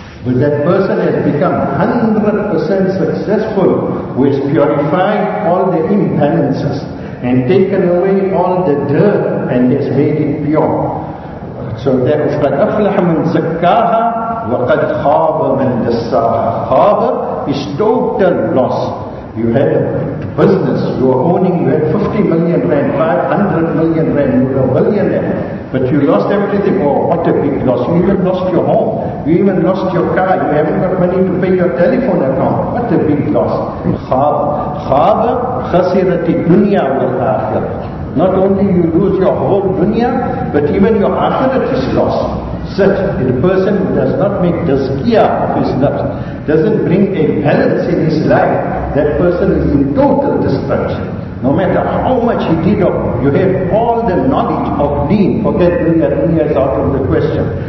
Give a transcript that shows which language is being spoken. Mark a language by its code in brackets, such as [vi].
[en] But that person has become 100% successful, who has purified all the imbalances and taken away all the dirt and has made it pure. So that is [ar] قد أفلح من زكاها وقد خاب من دساها. [en] خاب is total loss. You had a business, you were owning, you had 50 million rand, 500 million rand, you were a millionaire, but you lost everything. Oh, what a big loss. You even lost your home, you even lost your car, you haven't got money to pay your telephone account. What a big loss. [ar] خاب خسرت الدنيا والآخرة. [en] Not only you lose your whole dunya, but even your akhirat is lost. Such a person who does not make tazkiyah of his nafs, doesn't bring a balance in his life, that person is in total destruction. No matter how much he did of, you have all the knowledge of deen, forget dunya, dunya is out of the question.